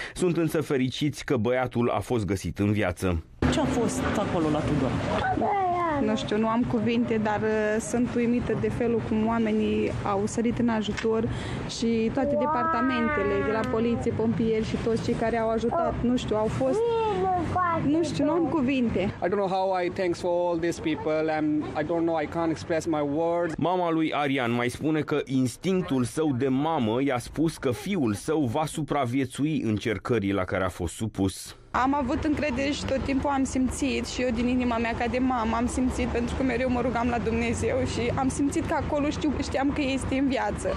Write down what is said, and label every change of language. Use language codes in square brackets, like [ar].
[ro] Sunt însă fericiți că băiatul a fost găsit în viață. Ce a fost acolo la Tudor? Nu știu, nu am cuvinte, dar sunt uimită de felul cum oamenii au sărit în ajutor și toate departamentele, de la poliție, pompieri și toți cei care au ajutat, nu știu, au fost... Nu știu, nu am cuvinte. [en] I don't know how I thanks for all these people. I don't know, I can't express my words. [ro] Mama lui Arian mai spune că instinctul său de mamă i-a spus că fiul său va supraviețui încercării la care a fost supus. Am avut încredere și tot timpul am simțit, și eu din inima mea ca de mamă am simțit, pentru că mereu mă rugam la Dumnezeu și am simțit că acolo știam că este în viață.